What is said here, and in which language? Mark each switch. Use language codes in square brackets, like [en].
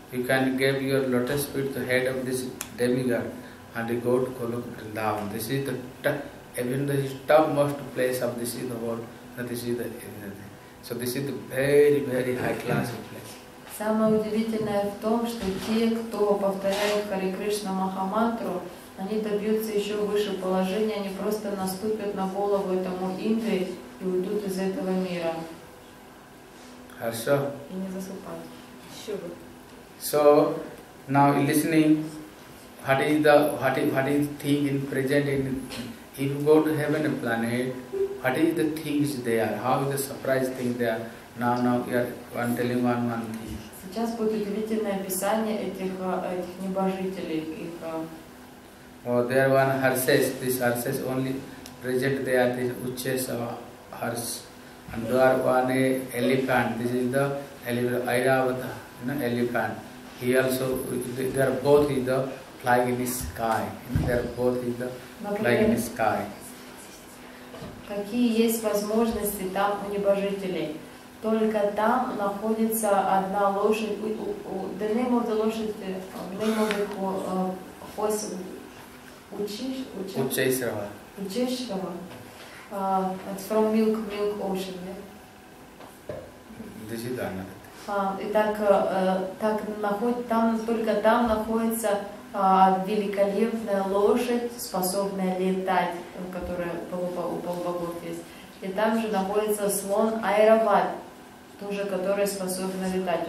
[en] you can give your lotus feet to the head of this demigod and go to Goloka Vrindavan. This is the even the topmost place of this in the world. That this is the so this is the very, very high class of place. [ru] Самое удивительное в том, что те, кто повторяет Хари Кришна Махамантру, они добьются еще выше положения, они просто наступят на голову этому Индре и уйдут из этого мира. Хорошо. И не засыпают. Еще бы. [en] So, now listening, what is thing in present in, if you go to heaven and planet, what is the things there? How is the surprise thing there? Now I'm telling one thing. [ru] Сейчас будет удивительное описание этих небожителей, их... [en] Well, there are one Harses. This Harses only present there, this Uchesava Hars. And there are one elephant. This is the elephant, Airavata, you know, elephant. He also, they are both in the flying in the sky. They are both in the flying in the sky. [ru] Какие есть возможности там у небожителей? Только там находится одна лошадь. [en] The name of the лошадь, the name of the horse, Uchesrava. Uchesrava. It's from milk ocean, yeah? This is Dana. [ru] Там находится великолепная лошадь, способная летать, которая у полубогов есть. И там же находится слон Айрават, тоже который способен летать.